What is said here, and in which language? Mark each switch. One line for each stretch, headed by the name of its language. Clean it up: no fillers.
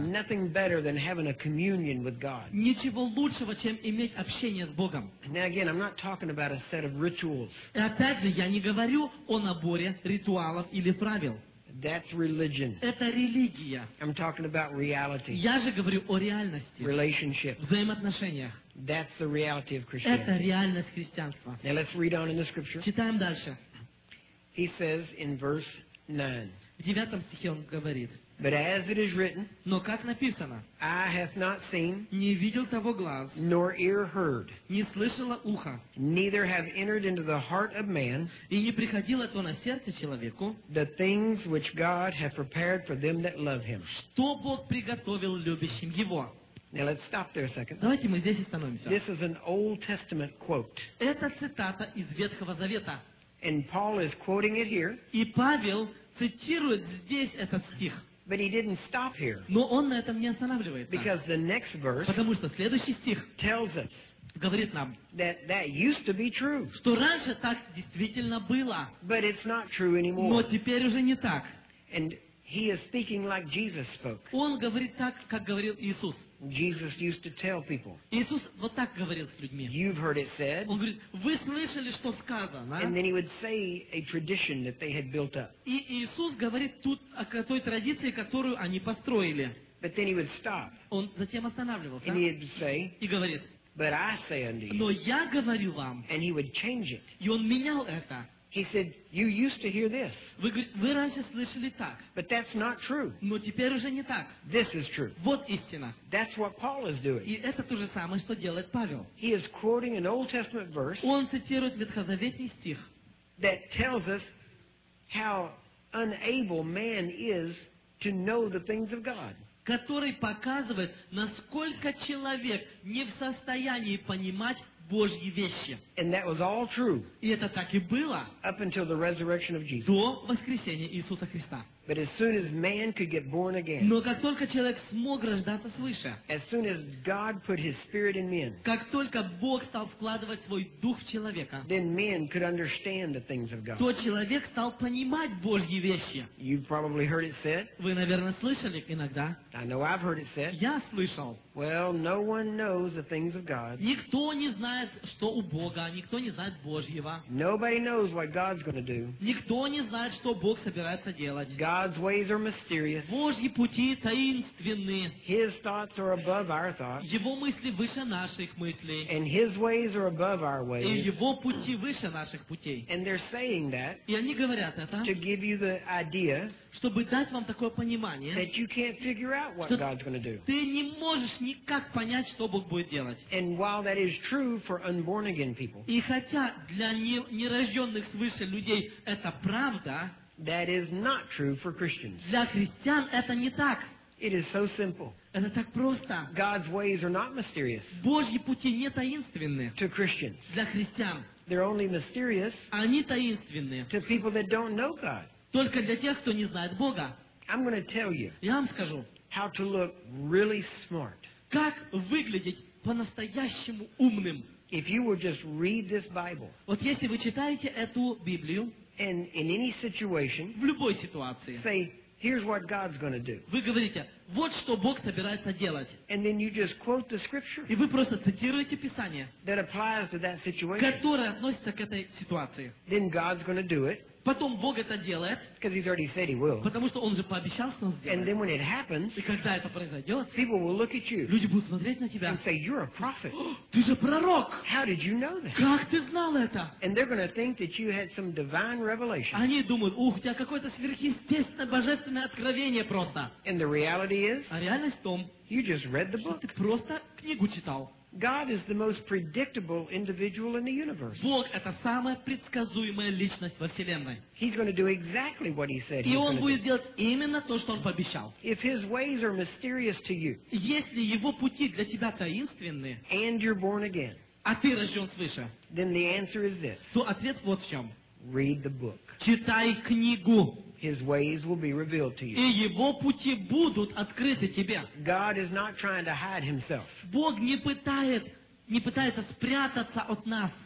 English: Nothing better than having a communion with God.
Russian: Ничего лучшего, чем иметь общение с Богом.
English: Now again, I'm not talking about a set of rituals.
Russian: И опять же, я не говорю о наборе ритуалов или правил.
English: That's religion.
Russian: Это религия.
English: I'm talking about reality.
Russian: Я же говорю о реальности.
English: Relationship.
Russian: Взаимоотношениях.
English: That's the reality of Christianity.
Russian: Это реальность христианства.
English: Now let's read on in the scripture.
Russian: Читаем дальше.
English: He says in verse 9.
Russian: В 9 стихе он говорит.
English: But as it is written.
Russian: Но как написано.
English: I have not seen.
Russian: Не видел того глаз.
English: Nor ear heard.
Russian: Не слышало ухо.
English: Neither have entered into the heart of man.
Russian: И не приходило то на сердце человеку.
English: The things which God hath prepared for them that love him.
Russian: Что Бог приготовил любящим его.
English: Now let's stop there a second.
Russian: Давайте мы здесь остановимся.
English: This is an Old Testament quote.
Russian: Это цитата из Ветхого Завета.
English: And Paul is quoting it here.
Russian: И Павел цитирует здесь этот стих.
English: But he didn't stop here.
Russian: Но он на этом не останавливается.
English: Because the next verse.
Russian: Потому что следующий стих.
English: Tells us.
Russian: Говорит нам.
English: That used to be true.
Russian: Что раньше так действительно было.
English: But it's not true anymore.
Russian: Но теперь уже не так.
English: And he is speaking like Jesus spoke.
Russian: Он говорит так, как говорил Иисус.
English: Jesus used to tell people.
Russian: Иисус вот так говорил с людьми.
English: You've heard it said.
Russian: Он говорит, вы слышали, что сказано.
English: And then he would say a tradition that they had built up.
Russian: И Иисус говорит тут о той традиции, которую они построили.
English: But then he would stop.
Russian: Он затем останавливался.
English: And he would say.
Russian: И говорит.
English: But I say unto you.
Russian: Но я говорю вам.
English: And he would change it.
Russian: И он менял это.
English: He said, "You used to hear this."
Russian: Вы раньше слышали так.
English: But that's not true.
Russian: Но теперь уже не так.
English: This is true.
Russian: Вот истина.
English: That's what Paul is doing.
Russian: И это то же самое, что делает Павел.
English: He is quoting an Old Testament verse.
Russian: Он цитирует ветхозаветный стих.
English: That tells us how unable man is to know the things of God.
Russian: Который показывает, насколько человек не в состоянии понимать Божьи вещи.
English: And that was all true.
Russian: И это так и было.
English: Up until the resurrection of Jesus.
Russian: До воскресения Иисуса Христа.
English: But as soon as man could get born again.
Russian: Но как только человек смог рождаться свыше.
English: As soon as God put His Spirit in men.
Russian: Как только Бог стал вкладывать свой дух в человека.
English: Then man could understand the things of God.
Russian: То человек стал понимать Божьи вещи.
English: You've probably heard it said.
Russian: Вы, наверное, слышали иногда.
English: I know I've heard it said.
Russian: Я слышал.
English: Well, no one knows the things of God.
Russian: Никто не знает, что у Бога, никто не знает Божьего.
English: Nobody knows what God's going to do.
Russian: Никто не знает, что Бог собирается делать.
English: God's ways are mysterious.
Russian: Божьи пути таинственны.
English: His thoughts are above our thoughts.
Russian: Его мысли выше наших мыслей.
English: And His ways are above our ways.
Russian: И Его пути выше наших путей.
English: And they're saying that.
Russian: И они говорят это.
English: To give you the idea.
Russian: Чтобы дать вам такое понимание.
English: That you can't figure out what God's going to do.
Russian: Ты не можешь никак понять, что Бог будет делать.
English: And while that is true for unborn again people.
Russian: И хотя для нерожденных свыше людей это правда.
English: That is not true for Christians.
Russian: Для христиан это не так.
English: It is so simple.
Russian: Это так просто.
English: God's ways are not mysterious.
Russian: Божьи пути не таинственны.
English: To Christians.
Russian: Для христиан.
English: They're only mysterious.
Russian: Они таинственны.
English: To people that don't know God.
Russian: Только для тех, кто не знает Бога.
English: I'm going to tell you.
Russian: Я вам скажу.
English: How to look really smart.
Russian: Как выглядеть по-настоящему умным.
English: If you would just read this Bible.
Russian: Вот если вы читаете эту Библию.
English: And in any situation.
Russian: В любой ситуации.
English: Say, here's what God's going to do.
Russian: Вы говорите, вот что Бог собирается делать.
English: And then you just quote the scripture.
Russian: И вы просто цитируете Писание.
English: That applies to that situation.
Russian: Которое относится к этой ситуации.
English: Then God's going to do it.
Russian: Потом Бог это делает.
English: Because he's already said he will.
Russian: Потому что Он же пообещал, что Он сделает.
English: And then when it happens.
Russian: И когда это произойдет.
English: People will look at you.
Russian: Люди будут смотреть на тебя.
English: And say, you're a prophet.
Russian: Ты же пророк.
English: How did you know that?
Russian: Как ты знал это?
English: And they're going to think that you had some divine revelation.
Russian: Они думают, ух, у тебя какое-то сверхъестественное, божественное откровение просто.
English: And the reality is.
Russian: А реальность в том.
English: You just read the book.
Russian: Ты просто книгу читал.
English: God is the most predictable individual in the universe.
Russian: Бог это самая предсказуемая личность во вселенной.
English: He's going to do exactly what he said he would.
Russian: И он будет делать именно то, что он пообещал.
English: If his ways are mysterious to you.
Russian: Если его пути для тебя таинственны.
English: And you're born again.
Russian: А ты рожден свыше.
English: Then the answer is this.
Russian: То ответ вот в чем.
English: Read the book.
Russian: Читай книгу.
English: His ways will be revealed to you.
Russian: И его пути будут открыты тебе.
English: God is not trying to hide himself.
Russian: Бог не пытается спрятаться от нас.